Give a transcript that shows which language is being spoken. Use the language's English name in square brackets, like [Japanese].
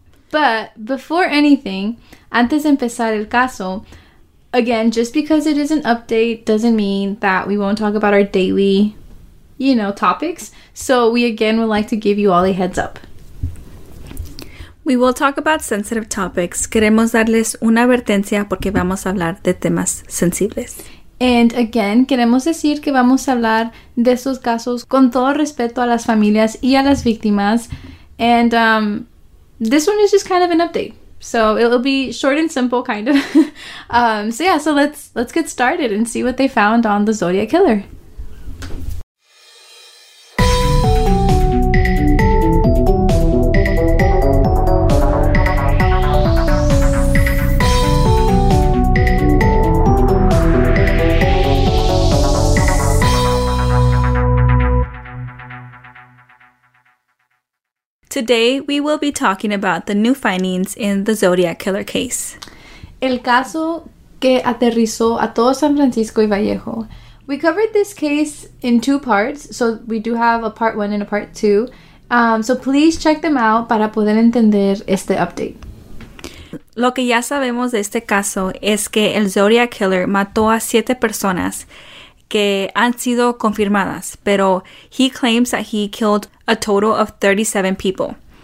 [English] But before anything, [Spanish] antes de empezar el caso, [English] again, just because it is an update doesn't mean that we won't talk about our daily, you know, topics. So we again would like to give you all a heads up. We will talk about sensitive topics. [Spanish] Queremos darles una advertencia porque vamos a hablar de temas sensibles. [English] And again, [Spanish] queremos decir que vamos a hablar de esos casos con todo respeto a las familias y a las víctimas. [English] And this one is just kind of an update. So it'll be short and simple, kind of. So let's get started and see what they found on the Zodiac Killer. Today, we will be talking about the new findings in the Zodiac Killer case. [Spanish] El caso que aterrizó a todo San Francisco y Vallejo. [English] We covered this case in two parts, so we do have a part one and a part two. So please check them out [Spanish] para poder entender este [English] update. [Spanish] Lo que ya sabemos de este caso es que el Zodiac Killer mató a 7 personas que han sido confirmadas, pero [English] he claims that he killed a total of 37 people.